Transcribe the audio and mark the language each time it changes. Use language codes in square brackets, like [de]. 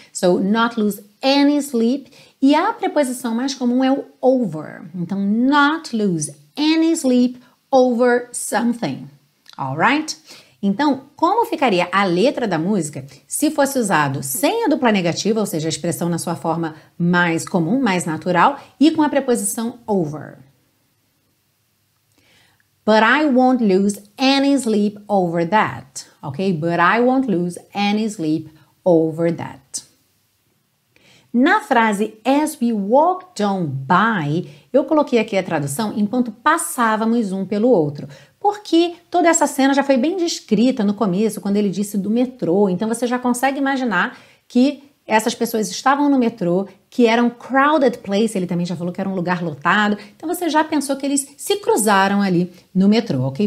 [en] So, not lose any sleep, [pt] e a preposição mais comum é o over, então [en] not lose any sleep over something, alright? [pt] Então, como ficaria a letra da música se fosse usado sem a dupla negativa, ou seja, a expressão na sua forma mais comum, mais natural, e com a preposição over? [en] But I won't lose any sleep over that, ok? But I won't lose any sleep over that. [pt] Na frase [en] as we walked on by, [pt] eu coloquei aqui a tradução enquanto passávamos um pelo outro, porque toda essa cena já foi bem descrita no começo, quando ele disse do metrô, então você já consegue imaginar que essas pessoas estavam no metrô, que era um crowded place, ele também já falou que era um lugar lotado, então você já pensou que eles se cruzaram ali no metrô, ok?